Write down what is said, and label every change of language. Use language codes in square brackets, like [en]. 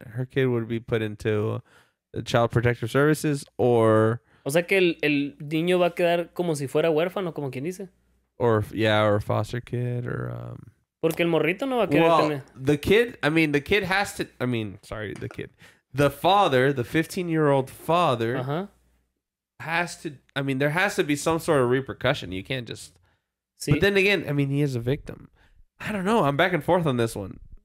[en] Her kid would be put into the Child Protective Services or... [es] O sea que el niño va a quedar como si fuera huérfano, como quien dice. [en] Or yeah, or foster kid, or [es] porque el morrito no va a querer [en] well, [es] tener. [en] The kid, I mean, the kid has to. I mean, sorry, the kid. The father, the 15-year-old father, has to. I mean, there has to be some sort of repercussion. You can't just. [es] ¿Sí? [en] But then again, I mean, he is a victim. I don't know. I'm back and forth on this one.